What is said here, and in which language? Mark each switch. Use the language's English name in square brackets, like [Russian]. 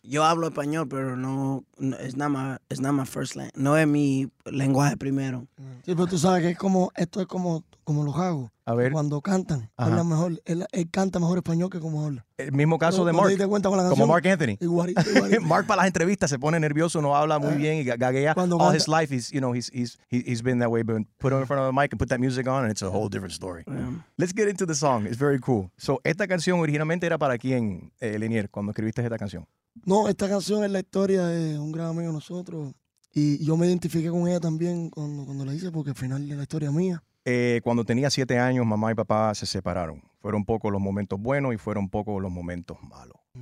[Spanish] Yo hablo español, pero no, no es nada más, es nada más [English] first language. [Spanish] No es mi lenguaje primero. Sí, pero tú sabes que es como, esto es como, como los hago. A ver. Cuando cantan, habla mejor, él canta mejor español que como habla. El mismo caso de Mark. ¿Te diste cuenta con la canción? Como Mark Anthony. Igual. Mark para las entrevistas se pone nervioso, no habla muy bien y gaguea. Cuando all canta. [English] His life, he's, you know, he's been that way. But put him in front of the mic and put that music on and it's a whole different story. Yeah. Let's get into the song. It's very cool. [Spanish] So, esta canción originalmente era para quién, Linier, cuando escribiste esta canción. No, esta canción es la historia de un gran amigo de nosotros y yo me identifiqué con ella también cuando la hice porque al final es la historia mía. Cuando tenía 7 años, mamá y papá se separaron. Fueron pocos los momentos buenos y fueron pocos los momentos malos.